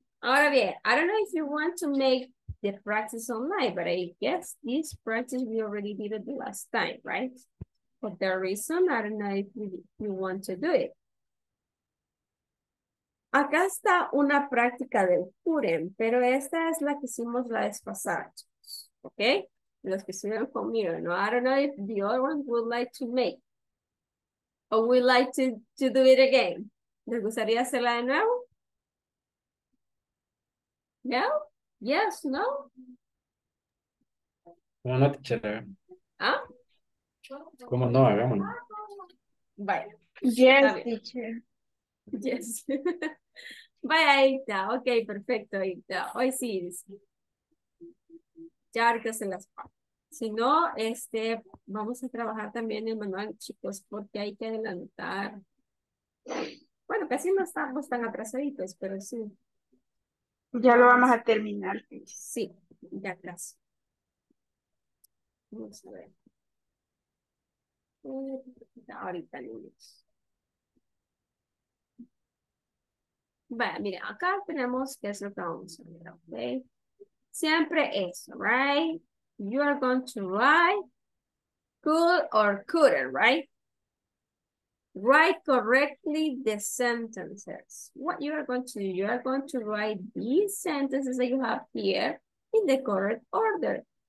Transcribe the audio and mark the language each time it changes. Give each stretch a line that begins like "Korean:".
Spanish: Ahora bien,
English: I don't know if you want to make the practice online, but I guess this practice we already did it the last time, right? For that reason, I don't know if you want to do it.
Spanish: Acá está una práctica del Purem, pero esta es la que hicimos la vez pasada. ¿Ok? Los que estuvieron conmigo, ¿no?
English: I don't know if the other ones would like to make. Or would like to do it again.
Spanish: ¿Les gustaría hacerla de nuevo? ¿No? ¿Yes? ¿No? No, no, teacher. ¿Ah? ¿Cómo no? Hagámoslo. Vaya.
English: Yes, teacher.
Spanish: Yes. Vaya, Aita. Ok, perfecto, Aita. Hoy sí. Ya arcas en las partes. Si no, vamos a trabajar también el manual, chicos, porque hay que adelantar. Bueno, casi no estamos tan atrasaditos, pero sí. Ya lo vamos a terminar. Sí, ya atrás. Vamos a ver. Ahorita, niños. Vaya, mira, acá tenemos que es lo que vamos a ver, ¿ok? Siempre es, right?
English: You are going to write, could or couldn't, right? Write correctly the sentences. What you are going to do, you are going to write these sentences that you have here in the correct order.